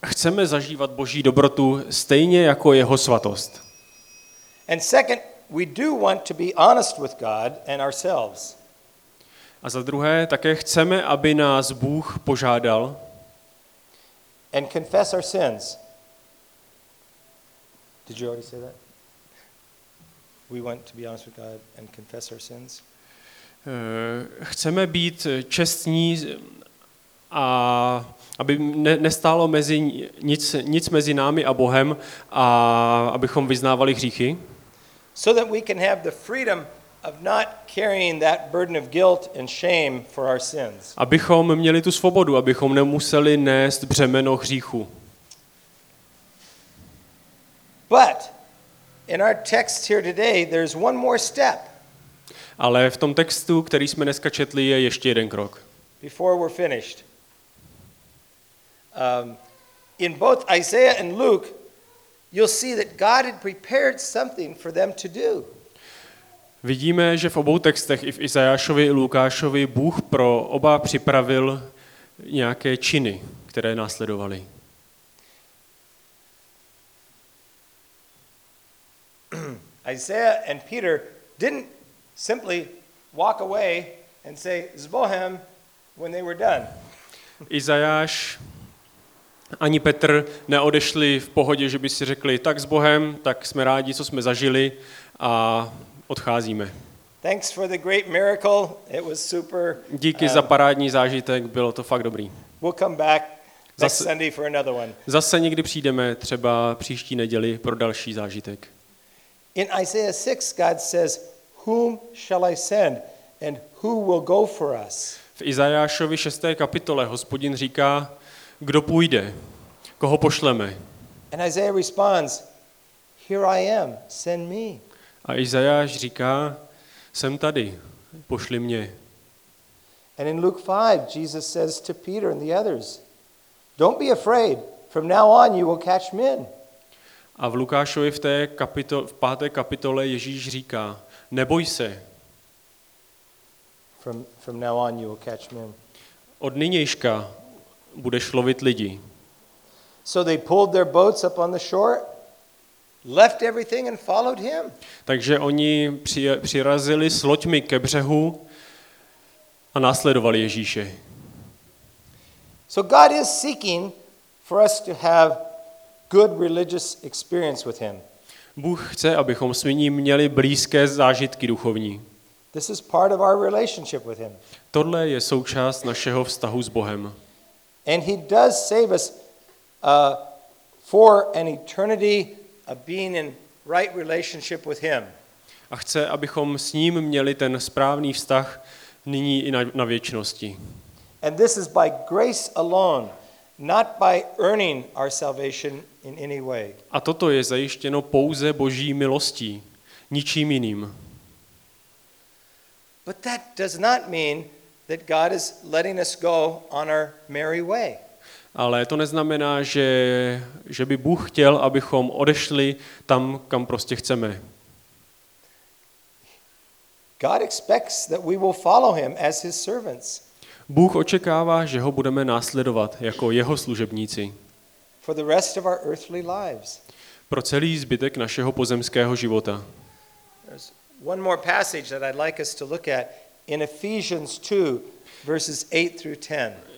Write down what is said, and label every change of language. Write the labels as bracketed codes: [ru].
[cs] Chceme zažívat Boží dobrotu stejně jako jeho svatost. [en] And second, we do want to be honest with God and ourselves. [cs] A za druhé, také chceme, aby nás Bůh požádal [en] and confess our sins. Did you already say that? We want to be honest with God and confess our sins. [cs] Chceme být čestní a aby nestálo mezi nic mezi námi a Bohem a abychom vyznávali hříchy. [en] So that we can have the freedom of not carrying that burden of guilt and shame for our sins. [cs] Abychom měli tu svobodu, abychom nemuseli nést břemeno hříchu. [en] But in our text here today there's one more step. Ale v tom textu, který jsme dneska četli, je ještě jeden krok. Before we're finished. In both Isaiah and Luke you'll see that God had prepared something for them to do. [cs] Vidíme, že v obou textech, i v Izajášovi, i Lukášovi, Bůh pro oba připravil nějaké činy, které následovaly. [en] Isaiah and Peter didn't simply walk away and say Zbohem when they were done. [cs] Izajáš ani Petr neodešli v pohodě, že by si řekli tak Zbohem, tak jsme rádi, co jsme zažili a odcházíme. [en] Thanks for the great miracle. It was super. [cs] Díky za parádní zážitek, bylo to fakt dobrý. [en] We'll come back next Sunday for another one. [cs] Zase někdy přijdeme, třeba příští neděli pro další zážitek. [en] In Isaiah 6 God says, "Whom shall I send and who will go for us?" [cs] V Izajášovi 6. kapitole Hospodin říká, kdo půjde? Koho pošleme? [en] And Isaiah responds, "Here I am, send me." [cs] A Izajáš říká, jsem tady, pošli mě. [en] And in Luke 5, Jesus says to Peter and the others, "Don't be afraid. From now on you will catch men." [cs] A v Lukášovi v 5. kapitole Ježíš říká, neboj se. [en] From now on you will catch men. [cs] Od nynějška budeš lovit lidi. [en] So they pulled their boats up on the shore. Left everything and followed him. [cs] Takže oni přirazili s loďmi ke břehu a následovali Ježíše. [en] So God is seeking for us to have good religious experience with him. [cs] Bůh chce, abychom s ním měli blízké zážitky duchovní. [en] This is part of our relationship with him. [cs] Tohle je součást našeho vztahu s Bohem. [en] And he does save us for an eternity a being in right relationship with him. [cs] A chce, abychom s ním měli ten správný vztah nyní i na věčnosti. [en] And this is by grace alone, not by earning our salvation in any way. [cs] A toto je zajištěno pouze Boží milostí, ničím jiným. [en] But that does not mean that God is letting us go on our merry way. [cs] Ale to neznamená, že by Bůh chtěl, abychom odešli tam, kam prostě chceme. [en] God expects that we will follow him as his servants. [cs] Bůh očekává, že ho budeme následovat jako jeho služebníci. [en] For the rest of our earthly lives. [cs] Pro celý zbytek našeho pozemského života. [en] There's one more passage that I'd like us to look at in Ephesians 2, verses 8 through 10.